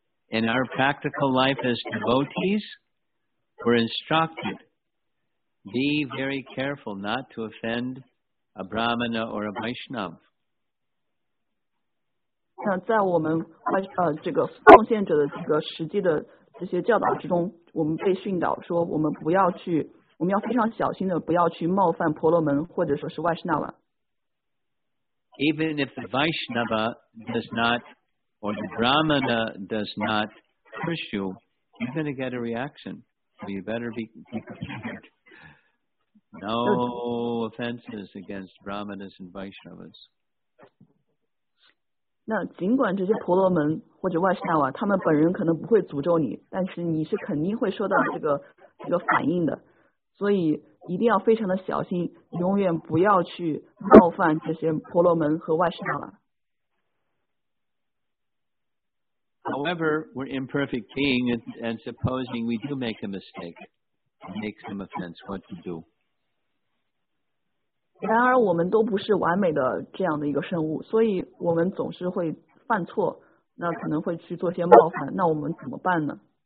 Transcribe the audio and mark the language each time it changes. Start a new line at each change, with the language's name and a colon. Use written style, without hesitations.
English: In our practical life as devotees, we're instructed be very careful not to offend. A Brahmana or a Vaishnava.
Chinese: 那在我们这个奉献者的这个实际的这些教导之中，我们被训导说，我们不要去，我们要非常小心的，不要去冒犯婆罗门或者说是 Vaishnava.
English: Even if the Vaishnava does not, or the Brahmana does not push you, you're going to get a reaction. So you better be prepared. No offenses against Brahmanas and Vaishnavas.
Chinese: 那尽管这些婆罗门或者 Vaishnava 他们本人可能不会诅咒你，但是你是肯定会受到这个反应的。所以一定要非常的小心，永远不要去冒犯这些婆罗门和 Vaishnava。
English: However, we're imperfect beings, and supposing we do make a mistake, make some offense, what to do?
Chinese: 然而我们都不是完美的这样的一个生物，所以我们总是会犯错，那可能会去做些冒犯，那我们怎么办呢？